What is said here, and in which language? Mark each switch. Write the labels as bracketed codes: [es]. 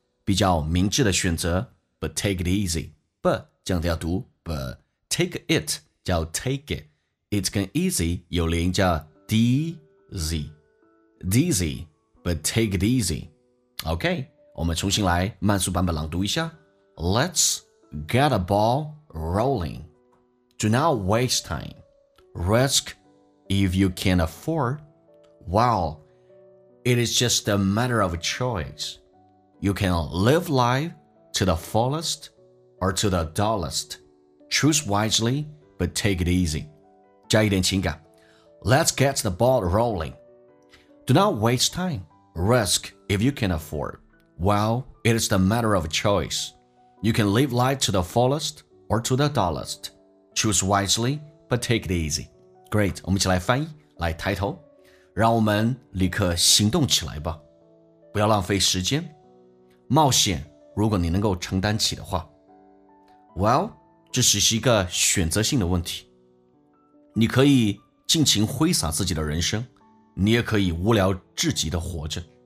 [zh] 比较明智的选择 [en] But take it easy. But [zh] 降调读 [en] But take it 叫 take it. [zh] It 跟 easy 有连音叫 dizzy. [en] Dizzy. But take it easy. [zh] OK, 我们重新来慢速版本朗读一下 [en] Let's get the ball rolling. Do not waste time. Risk if you can afford. Well, it is just a matter of choice. You can live life to the fullest or to the dullest. Choose wisely, but take it easy. [zh] 加一点情感。 [en] Let's get the ball rolling. Do not waste time. Risk if you can afford. Well, it is the matter of choice. You can live life to the fullest or to the dullest. Choose wisely, but take it easy. [zh] Great, 我们一起来翻译，来抬头。让我们立刻行动起来吧，不要浪费时间。冒险，如果你能够承担起的话。Well, 这只是一个选择性的问题。你可以尽情挥洒自己的人生，你也可以无聊至极的活着。